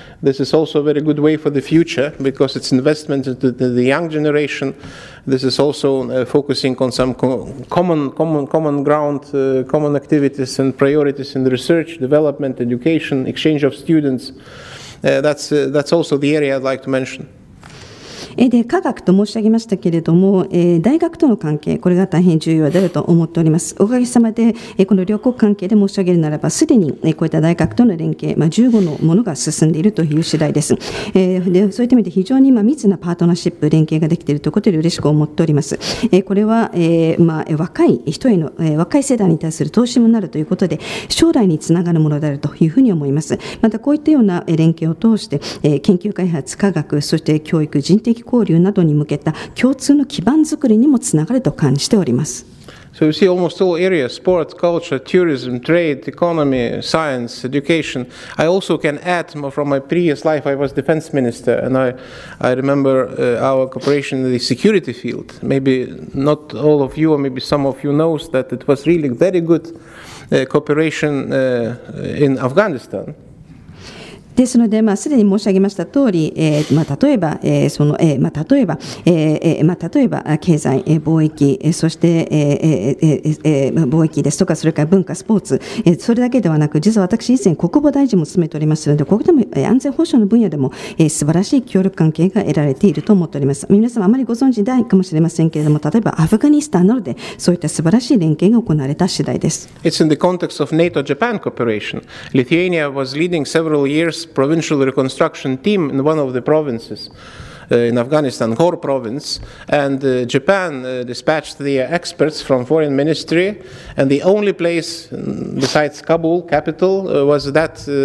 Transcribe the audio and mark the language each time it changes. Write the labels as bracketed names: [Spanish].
[English] This is also a very good way for the future because it's investment into the young generation. This is also focusing on some common ground, common activities and priorities in the research, development, education, exchange of students. That's also the area I'd like to mention. [Japanese] で科学と申し上げましたけれども、大学との関係、これが大変重要であると思っております。おかげさまで、この両国関係で申し上げるならば、すでに、こういった大学との連携、15のものが進んでいるという次第です。でそういった意味で非常に、密なパートナーシップ連携ができているということで嬉しく思っております。これは、若い人への、若い世代に対する投資もなるということで、将来につながるものであるというふうに思います。またこういったような連携を通して、研究開発、科学、そして教育、人的交流などに向けた共通の基盤づくりにもつながると感じております。 [English] So you see, almost all areas, sports, culture, tourism, trade, economy, science, education. I also can add from my previous life, I was defense minister, and I remember our cooperation in the security field. Maybe not all of you, or maybe some of you knows that it was really very good cooperation in Afghanistan. [Japanese] ですので、すでに申し上げました通り、例えば、その、例えば、例えば経済、貿易、そして、貿易ですとか、それから文化、スポーツ、それだけではなく、実は私以前国防大臣も務めておりますので、ここでも安全保障の分野でも、素晴らしい協力関係が得られていると思っております。皆様あまりご存知ないかもしれませんけれども、例えばアフガニスタンなどでそういった素晴らしい連携が行われた次第です。 [English] It's in the context of NATO-Japan cooperation. Lithuania was leading several yearsprovincial reconstruction team in one of the provinces in Afghanistan, Ghor province, and Japan dispatched the experts from foreign ministry, and the only place besides Kabul capital was that